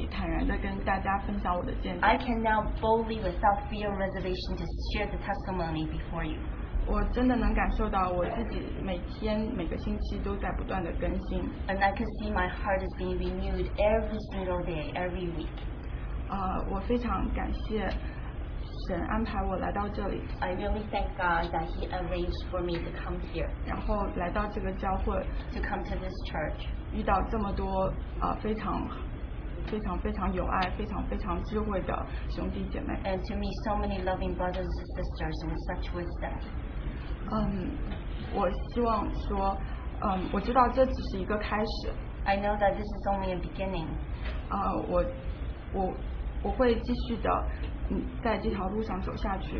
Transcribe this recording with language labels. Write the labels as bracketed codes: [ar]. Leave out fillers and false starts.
[zh] 所以我现在可以站在这里坦然地跟大家分享我的见证。 [en] I can now boldly without fear or reservation to share the testimony before you. [zh] 我真的能感受到我自己每天每个星期都在不断地更新。 [en] And I can see my heart is being renewed every single day, every week. [zh] 我非常感谢神安排我来到这里。 [en] I really thank God that He arranged for me to come here. [zh] 然后来到这个教会。 [en] To come to this church. [zh] 遇到这么多, 非常有爱,非常智慧的兄弟姐妹。 [en] And to meet so many loving brothers and sisters and such wisdom. [zh] 我希望说, 我知道这只是一个开始。 [en] I know that this is only a beginning. [zh] 我会继续的在这条路上走下去。